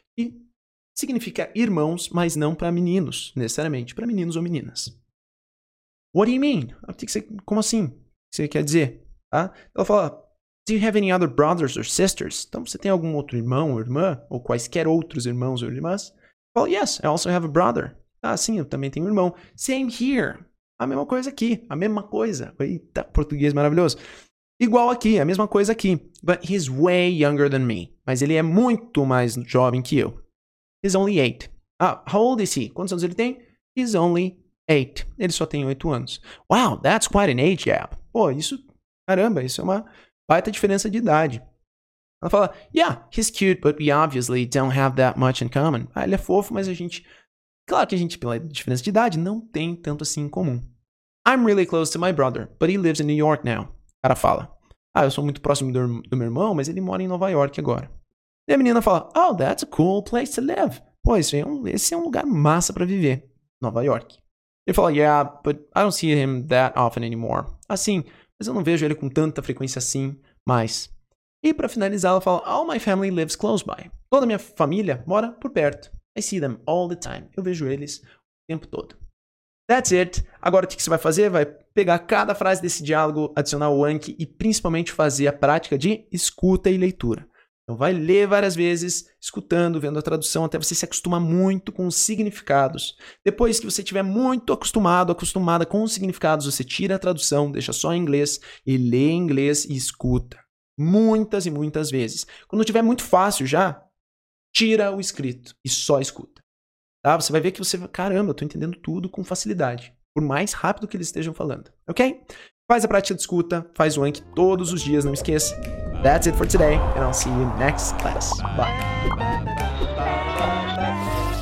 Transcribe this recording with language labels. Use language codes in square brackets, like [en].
[pt] E significa irmãos, mas não para meninos, necessariamente, para meninos ou meninas. [en] What do you mean? [pt] Como assim? O que você quer dizer? Tá? Ela fala, [en] do you have any other brothers or sisters? [pt] Então, você tem algum outro irmão ou irmã, ou quaisquer outros irmãos ou irmãs? [en] Well, yes, I also have a brother. [pt] Ah, sim, eu também tenho um irmão. [en] Same here. [pt] A mesma coisa aqui, a mesma coisa. Eita, português maravilhoso. Igual aqui, a mesma coisa aqui. [en] But he's way younger than me. [pt] Mas ele é muito mais jovem que eu. [en] He's only 8. Ah, how old is he? [pt] Quantos anos ele tem? [en] He's only 8. [pt] Ele só tem 8 anos. [en] Wow, that's quite an age gap. [pt] Pô, isso... Caramba, isso é uma baita diferença de idade. Ela fala, [en] yeah, he's cute, but we obviously don't have that much in common. [pt] Ah, ele é fofo, mas a gente Claro que a gente, pela diferença de idade, não tem tanto assim em comum. [en] I'm really close to my brother, but he lives in New York now. [pt] O cara fala. Ah, eu sou muito próximo do meu irmão, mas ele mora em Nova York agora. E a menina fala, [en] oh, that's a cool place to live. [pt] Pô, esse é um lugar massa pra viver, Nova York. Ele fala, [en] yeah, but I don't see him that often anymore. [pt] Assim, mas eu não vejo ele com tanta frequência assim, mas... E pra finalizar, ela fala, [en] all my family lives close by. [pt] Toda minha família mora por perto. [en] I see them all the time. [pt] Eu vejo eles o tempo todo. [en] That's it. [pt] Agora o que você vai fazer? Vai pegar cada frase desse diálogo, adicionar o Anki e principalmente fazer a prática de escuta e leitura. Então vai ler várias vezes, escutando, vendo a tradução, até você se acostumar muito com os significados. Depois que você estiver muito acostumado, acostumada com os significados, você tira a tradução, deixa só em inglês e lê em inglês e escuta. Muitas e muitas vezes. Quando estiver muito fácil já, tira o escrito e só escuta. Tá? Você vai ver que você... Caramba, eu tô entendendo tudo com facilidade. Por mais rápido que eles estejam falando. Ok? Faz a prática de escuta. Faz o Anki todos os dias. Não esqueça. [en] That's it for today. And I'll see you next class. Bye.